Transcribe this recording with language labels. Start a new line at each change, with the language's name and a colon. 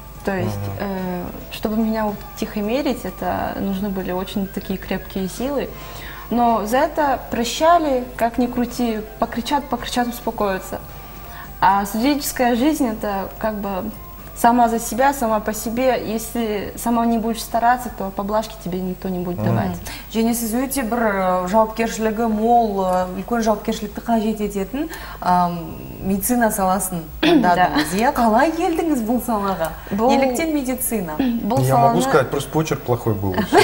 Russian: То есть, чтобы меня утихомирить, это нужны были очень такие крепкие силы. Но за это прощали, как ни крути, покричат, успокоятся. А студенческая жизнь – это как бы сама за себя, сама по себе. Если сама не будешь стараться, то поблажки тебе никто не будет давать.
Kazakh: Және сіз өте бір жауапкершілігі мол, үлкен жауапкершілікті қажет ететін медицина саласын дадыңыз. Қалай келдіңіз бұл салаға? Неліктен медицина?
Russian: Я могу сказать, просто почерк плохой был.